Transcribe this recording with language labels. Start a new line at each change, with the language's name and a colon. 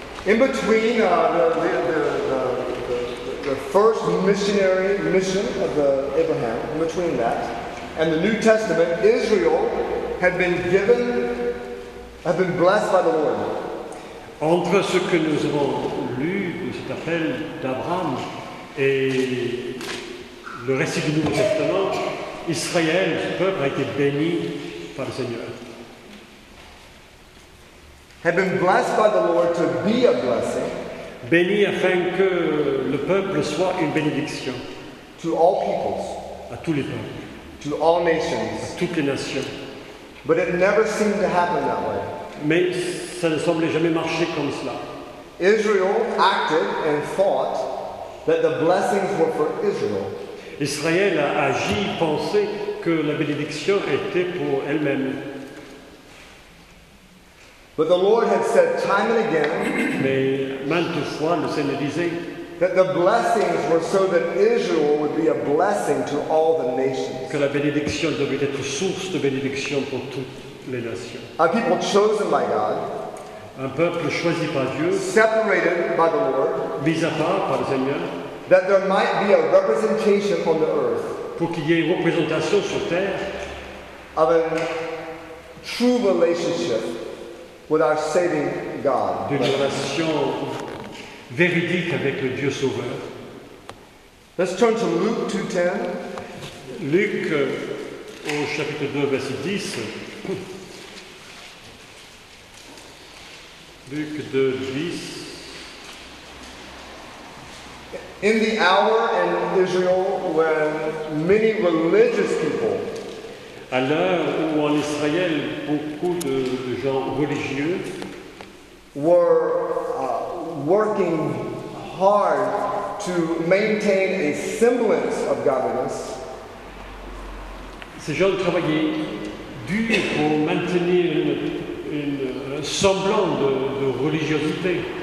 English: In between the first missionary mission of the Abraham, in between that and the New Testament, Israel had been given, had been blessed by the Lord.
French: Entre ce que nous avons lu de cet appel d'Abraham et le récit du Nouveau Testament, Israël, ce peuple, a été béni par le Seigneur.
English: Had been blessed by the Lord to be a blessing.
French: Béni afin que le peuple soit une bénédiction.
English: To all peoples.
French: À tous les peuples.
English: To all nations.
French: À toutes les nations.
English: But it never seemed to happen that way.
French: Mais ça ne semblait jamais marcher comme cela.
English: Israel acted and thought that the blessings were for Israel.
French: Israël a agi, pensé que la bénédiction était pour elle-même.
English: But the Lord had said time and again
French: mais maintes fois, le Seigneur disait,
English: that the blessings were so that Israel would be a blessing to all the nations.
French: Que la bénédiction devait être source de bénédiction pour toutes les nations.
English: A people chosen by God,
French: un peuple choisi par Dieu,
English: separated by the Lord,
French: mis à part par le Seigneur,
English: that there might be a representation on the earth,
French: pour qu'il y ait une représentation sur terre,
English: of a true relationship with our saving God.
French: D'une relation véridique avec le Dieu sauveur.
English: Let's turn to Luke 2:10.
French: Luc au chapitre 2 verset 10. Luc 2:10.
English: In the hour in Israel when many religious people,
French: à l'heure où en Israël beaucoup de gens religieux
English: were working hard to maintain a semblance of godliness,
French: ces gens travaillaient dur pour maintenir une semblant de religiosité,